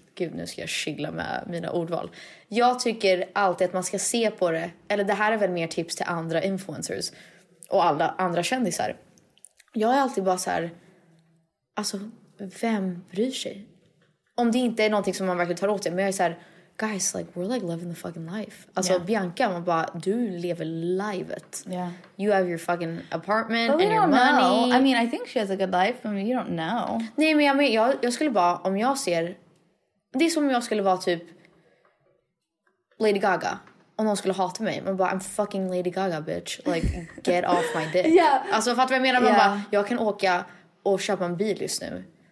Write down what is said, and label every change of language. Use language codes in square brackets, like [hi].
[sv] Gud, nu ska jag skilla med mina ordval. Jag tycker alltid att man ska se på det. Eller det här är väl mer tips till andra influencers. Och alla andra kändisar. Jag är alltid bara så här. Alltså, vem bryr sig? Om det inte är någonting som man verkligen tar åt sig. Men jag är så här. [en] Guys, like, we're like living the fucking life. [sv] Alltså, yeah. Bianca, man bara, du lever livet. [en] Yeah. You have your fucking apartment and your money. Know. I mean, I think she has a good life. I mean, you don't know. [sv] Nej, men jag skulle bara, om jag ser... Det är som om jag skulle vara typ Lady Gaga. Om någon skulle hata mig. Man bara, [en] I'm fucking Lady Gaga, bitch. Like, get off my dick. Yeah. [sv] Alltså, fattar vad jag menar? Man bara, jag kan åka och köpa en bil just nu.